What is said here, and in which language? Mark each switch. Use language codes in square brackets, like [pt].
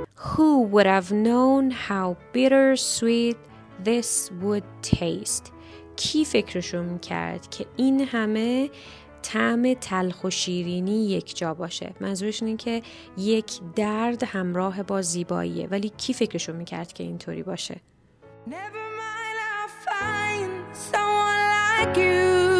[en] Who would have known how bitter sweet this would taste? [fa] کی فکرشو میکرد که این همه طعم تلخ و شیرینی یک جا باشه؟ منظورش اینه که یک درد همراه با زیباییه، ولی کی فکرشو میکرد که اینطوری باشه؟ [en] Never mind, I'll find someone like you.